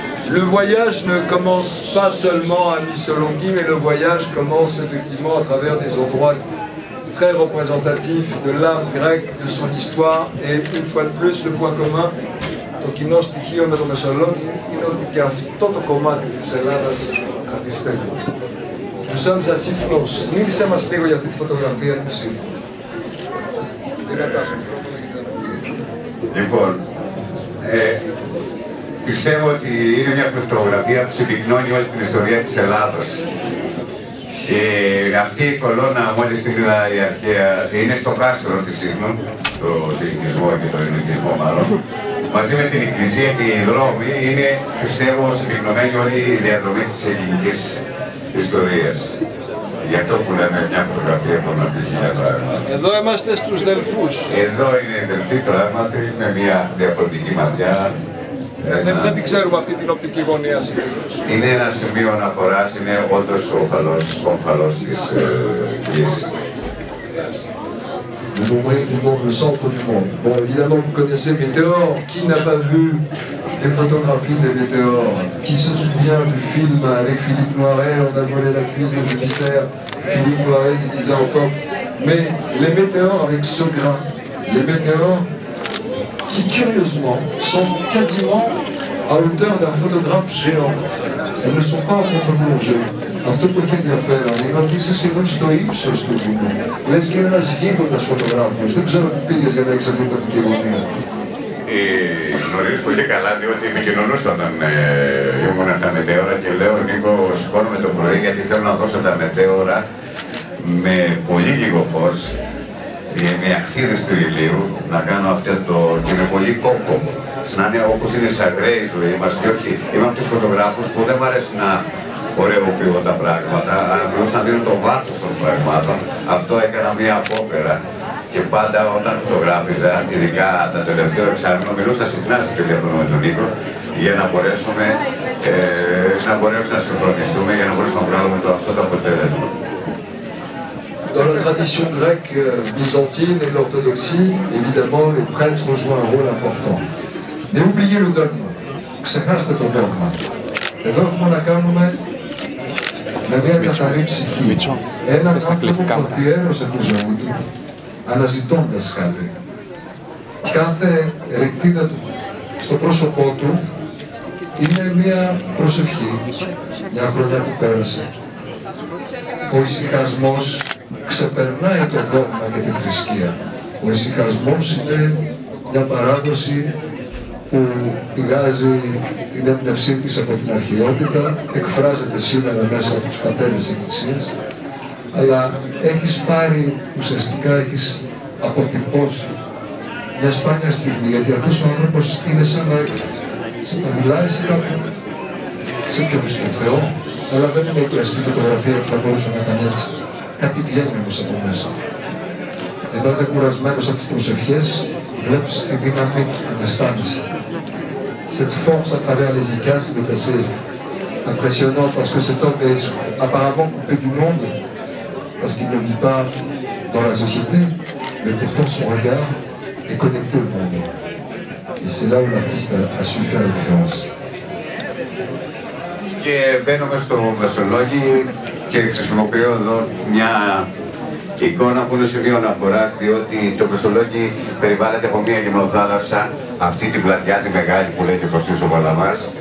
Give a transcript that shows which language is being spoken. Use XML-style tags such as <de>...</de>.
<fr>Le voyage ne commence pas seulement à Missolonghi, mais le voyage commence effectivement à travers des endroits très représentatifs de l'art grec, de son histoire, et une fois de plus, le point commun,</fr> <el>το κοινό στοιχείο με το Μεσολόγγι είναι ότι και αυτό το κομμάτι της Ελλάδας αντιστέκει.</el> <fr>Nous sommes à Syphlos.</fr> <el>Μίλησέ μας λίγο για αυτή τη φωτογραφία της Σύφλος. Λοιπόν, πιστεύω ότι είναι μια φωτογραφία που συμπυκνώνει όλη την ιστορία της Ελλάδας. Αυτή η κολόνα, μόλις την είδα η αρχαία, είναι στο κάστρο της Σύφλος, το τυχισμό και το ελληνικισμό μάλλον. Μαζί με την εκκλησία και οι δρόμοι είναι, πιστεύω, συμπυκνωμένη όλη η διαδρομή της ελληνικής ιστορίας. Γι' αυτό που λέμε μια φωτογραφία που να πει χίλια πράγματα. Εδώ είμαστε στους Δελφούς. Εδώ είναι οι Δελφοί πράγματι, με μια διαφορετική ματιά. Δεν την ξέρουμε αυτή την οπτική γωνία σήμερα. Είναι ένα σημείο αναφοράς, είναι όντως ο όμφαλος της γης.</el> <fr>Le nombril du monde, le centre du monde. Bon, évidemment, vous connaissez Météor. Qui n'a pas vu des photographies de Météor? Qui se souvient du film avec Philippe Noiret, On a volé la crise de Jupiter. Philippe Noiret disait encore. Mais les météores avec ce grain, les météores qui, curieusement, sont quasiment à hauteur d'un photographe géant. Elles ne sont pas en contre-plongée.</fr> <el>Αυτό που έχει ενδιαφέρον είναι ότι είσαι σχεδόν στο ύψος του βουνού. Λες και ένας γίγοντας φωτογράφος. Δεν ξέρω τι πήγες για να έχεις αυτή την τοπική γωνία. Γνωρίζω πολύ καλά, διότι επικοινωνούσα όταν ήμουν στα μετέωρα και λέω, Νίκο, σηκώνομαι το πρωί γιατί θέλω να δώσω τα μετέωρα με πολύ λίγο φως, με ακτίδες του ηλίου, να κάνω αυτό το... και με πολύ κόκκο. Να είναι όπως είναι σε ακραία η ζωή μας και όχι. Είμαι από τους φωτογράφους που δεν μου αρέσει να ωραιοποιώ τα πράγματα, αλλά μπορούσα να δίνω το βάθος των πραγμάτων. Αυτό έκανα μία απόπερα. Και πάντα όταν φωτογράφιζα, ειδικά τα τελευταία εξάμεινα, μιλούσα συχνά στο τηλέφωνο με τον Νίκο για να μπορέσουμε να μπορέσουμε να συγχρονιστούμε για να μπορέσουμε να βγάλουμε το αυτό το αποτέλεσμα.</el> <fr>Dans la tradition grecque, byzantine et l'orthodoxie, évidemment, les prêtres jouent un rôle important. Mais oubliez le dogme.</fr> <el>Ξεχάστε το dogme. Εδώ έχουμε να κάνουμε με μια καθαρή ψυχή. Έναν άνθρωπο που αφιέρωσε τη ζωή του, αναζητώντας κάτι. Κάθε ρητίδα του στο πρόσωπό του είναι μια προσευχή μια χρονιά που πέρασε. Ο ησυχασμός ξεπερνάει το δόγμα και την θρησκεία. Ο ησυχασμός είναι μια παράδοση που πηγάζει την έμπνευσή της από την αρχαιότητα, εκφράζεται σήμερα μέσα από τους πατέρες της Εκκλησίας, αλλά έχεις πάρει, ουσιαστικά έχεις αποτυπώσει μια σπάνια στιγμή, γιατί αυτός ο άνθρωπος είναι σαν να μιλάει σε κάποιον, σε κάποιον στον Θεό, αλλά δεν είναι η κλασική φωτογραφία που θα μπορούσε να κάνει έτσι. Κάτι βγαίνει από μέσα. Ενώ είναι κουρασμένος από τις προσευχές, βλέπεις τη δύναμη του, την αισθάνεσαι.</el> <fr>Cette force à travers les icastes est assez impressionnante parce que cet homme est apparemment coupé du monde parce qu'il ne vit pas dans la société, mais pourtant son regard est connecté au monde. Et c'est là où l'artiste a su faire la différence.</fr> <el>Και μπαίνουμε στο Μεσολόγγι και χρησιμοποιώ εδώ μια εικόνα που είναι σημείο αναφοράς, διότι το Μεσολόγγι περιβάλλεται από μια λιμνοθάλασσα, αυτή την πλατιά τη μεγάλη που λέει και προς τις Βαλαμάς,</el>